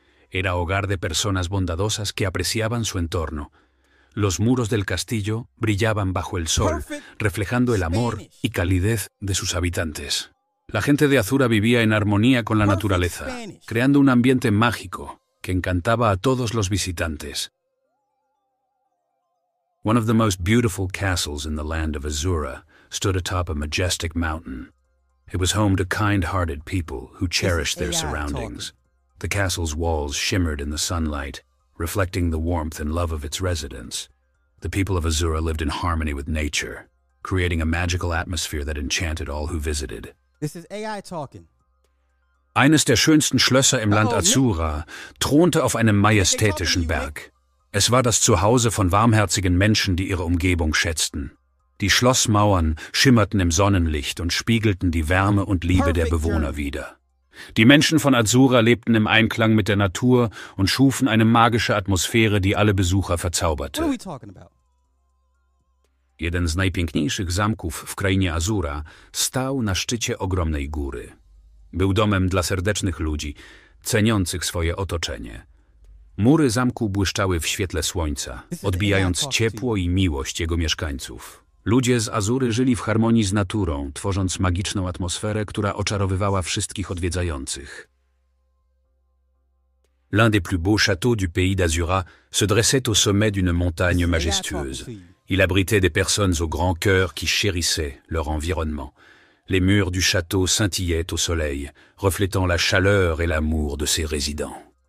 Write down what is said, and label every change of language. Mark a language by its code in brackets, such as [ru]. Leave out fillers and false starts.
[es] Era hogar de personas bondadosas que apreciaban su entorno. Los muros del castillo brillaban bajo el sol, reflejando el amor y calidez de sus habitantes. La gente de Azura vivía en armonía con la naturaleza, creando un ambiente mágico que encantaba a todos los visitantes. [en] One of the most beautiful castles in the land of Azura stood atop a majestic mountain. It was home to kind-hearted people who cherished their surroundings. The castle's walls shimmered in the sunlight, reflecting the warmth and love of its residents. The people of Azura lived in harmony with nature, creating a magical atmosphere that enchanted all who visited. This is AI talking. [de] Eines der schönsten Schlösser im Land Azura thronte auf einem majestätischen Berg. Es war das Zuhause von warmherzigen Menschen, die ihre Umgebung schätzten. Die Schlossmauern schimmerten im Sonnenlicht und spiegelten die Wärme und Liebe der Bewohner wider. Die Menschen von Azura lebten im Einklang mit der Natur und schufen eine magische Atmosphäre, die alle Besucher verzauberte. [en] What are we talking about? [pl] Jeden z najpiękniejszych zamków w krainie Azura stał na szczycie ogromnej góry. Był domem dla serdecznych ludzi, ceniących swoje otoczenie. Mury zamku błyszczały w świetle słońca, odbijając ciepło i miłość jego mieszkańców. Ludzie z Azury żyli w harmonii z naturą, tworząc magiczną atmosferę, która oczarowywała wszystkich odwiedzających. [fr] L'un des plus beaux châteaux du pays d'Azura se dressait au sommet d'une montagne majestueuse. Il abritait des personnes au grand cœur qui chérissaient leur environnement. Les murs du château scintillaient au soleil, reflétant la chaleur et l'amour de ses résidents.